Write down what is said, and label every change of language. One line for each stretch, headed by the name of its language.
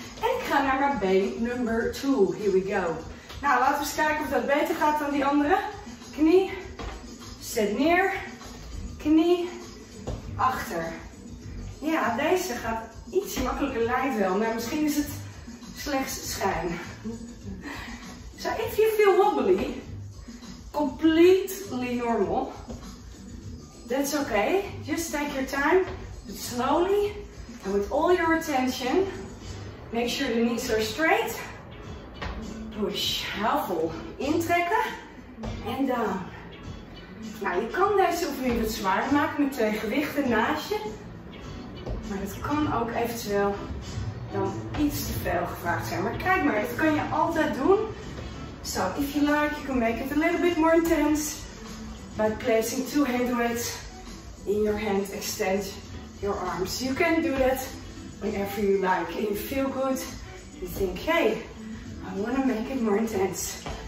Dutch: En ik ga naar mijn been number 2.
English: Here we go.
Dutch: Nou, laten we eens kijken of dat beter gaat dan die andere. Knie. Zet neer. Knie. Achter. Ja, deze gaat iets makkelijker lijkt wel. Maar misschien is het slechts schijn.
English: So if you feel wobbly, completely normal, that's okay. Just take your time, but slowly and with all your attention, make sure the knees are straight.
Dutch: Push, hou vol, intrekken en down. Nou, je kan deze oefening wat zwaarder maken met 2 gewichten naast je. Maar het kan ook eventueel dan iets te veel gevraagd zijn. Maar kijk maar, dat kan je altijd doen.
English: So, if you like, you can make it a little bit more intense by placing 2 hand weights in your hand, extend your arms. You can do that whenever you like. And you feel good, you think, hey, I want to make it more intense.